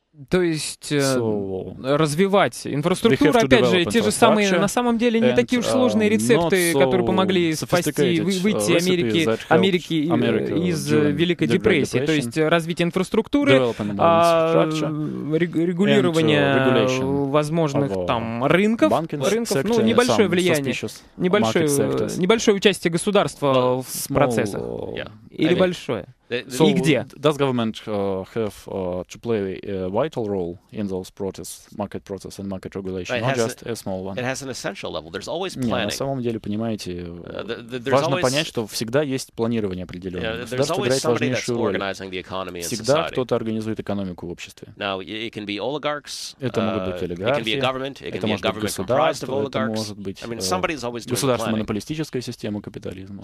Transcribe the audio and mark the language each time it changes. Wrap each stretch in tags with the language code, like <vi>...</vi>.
<ru>То есть развивать инфраструктуру, опять же, те же самые, на самом деле, не такие уж сложные рецепты, которые помогли спасти, выйти Америки из Великой депрессии. То есть развитие инфраструктуры, регулирование возможных там рынков, ну, небольшое влияние, небольшое участие государства в процессах. Или большое.</ru> <en>So,</en> <ru>и где?</ru> <en>Does government have to play a vital role in those processes, market process and market regulation, not just a small one? It has an essential level. There's always planning.</en> <ru>На самом деле, понимаете, важно понять, что всегда есть планирование определенное. Государство играет важнейшую роль. Всегда кто-то организует экономику в обществе.</ru> <en>Now, it can be oligarchs.</en> <ru>Это могут быть олигархи. Это может быть государство. Это может быть государственно-монополистическая система капитализма.</ru>